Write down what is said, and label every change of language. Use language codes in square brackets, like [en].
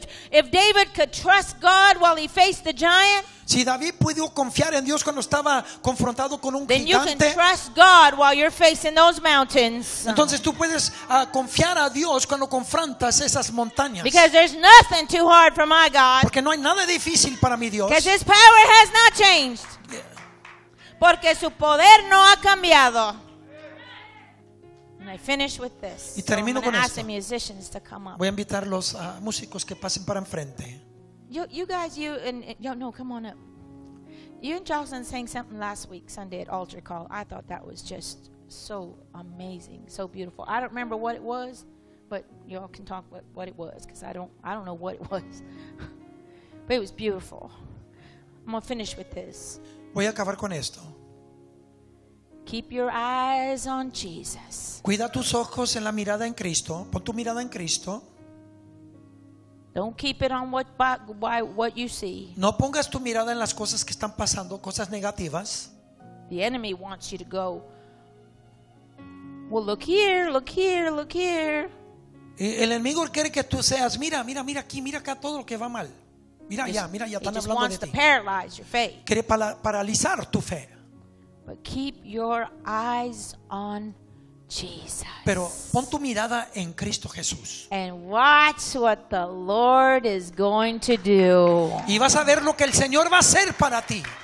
[en] If David could trust God while he faced the giant. [es] Si David pudo confiar en Dios cuando estaba confrontado con un [en] then [es] gigante. [en] Then you can trust God while you're facing those mountains. [es] Entonces tú puedes confiar a Dios cuando confrontas esas montañas. [en] Because there's nothing too hard for my God. [es] Porque no hay nada difícil para mi Dios. [en] Because his power has not changed. Yeah. [es] Porque su poder no ha cambiado. [en] And I finish with this. [es] Y termino [en] so I'm [es] con esto. [en] The musicians to come up. [es] Voy a invitar los músicos que pasen para enfrente. [en] You guys, come on up. You and Jocelyn sang something last week, Sunday at Altar Call. I thought that was just so amazing, so beautiful. I don't remember what it was, but y'all can talk what it was, because I don't know what it was. But it was beautiful. I'm going to finish with this. [es] Voy a acabar con esto. [en] Keep your eyes on Jesus. [es] Cuida tus ojos en la mirada en Cristo. Pon tu mirada en Cristo. [en] Don't keep it on what you see. [es] No pongas tu mirada en las cosas que están pasando, cosas negativas. [en] The enemy wants you to go. Well, look here, look here, look here. [es] El enemigo quiere que tú seas, mira aquí, mira acá todo lo que va mal. Mira allá, están hablando de ti. [en] He just wants to paralyze your faith. [es] Quiere paralizar tu fe. [en] But keep your eyes on Jesus. [es] Pero pon tu mirada en Cristo Jesús. [en] And watch what the Lord is going to do. [es] Y vas a ver lo que el Señor va a hacer para ti.